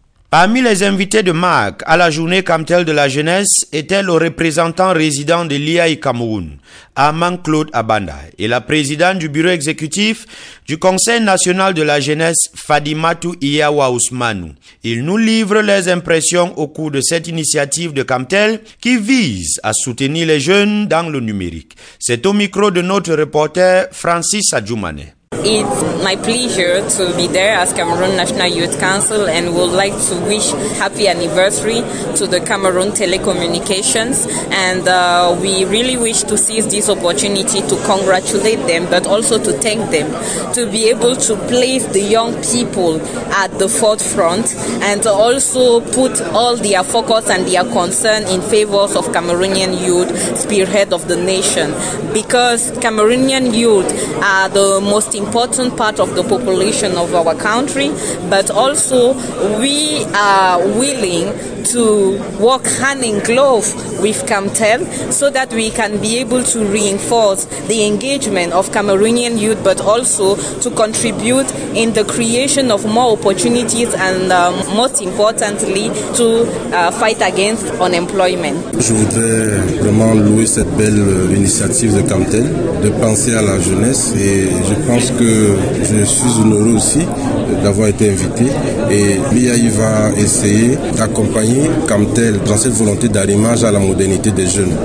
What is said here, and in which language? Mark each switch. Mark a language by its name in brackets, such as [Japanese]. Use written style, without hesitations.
[French] Parmi les invités de marque à la journée Camtel de la jeunesse était le représentant résident de l'IAI Cameroun, Armand Claude Abanda, et la présidente du bureau exécutif du Conseil national de la jeunesse, Fadimatou Iyawa Ousmanou. Ils nous livrent leurs impressions au cours de cette initiative de Camtel qui vise à soutenir les jeunes dans le numérique. C'est au micro de notre reporter Francis Adjoumane. [English] It's my pleasure to be there as Cameroon National Youth Council and would like to wish happy anniversary to the Cameroon Telecommunications, and we really wish to seize this opportunity to congratulate them but also to thank them to be able to place the young people at the forefront and to also put all their focus and their concern in favor of Cameroonian youth, spearhead of the nation, because Cameroonian youth are the most important part of the population of our country, but also we are willing to work hand in glove with Camtel so that we can be able to reinforce the engagement of Cameroonian youth, but also to contribute in the creation of more opportunities and most importantly to fight against unemployment. [French] Je voudrais vraiment louer cette belle initiative de Camtel de penser à la jeunesse, et je pense que je suis honoré aussi d'avoir été invité, et l'IAI va essayer d'accompagner Camtel dans cette volonté d'arrimage à la modernité des jeunes.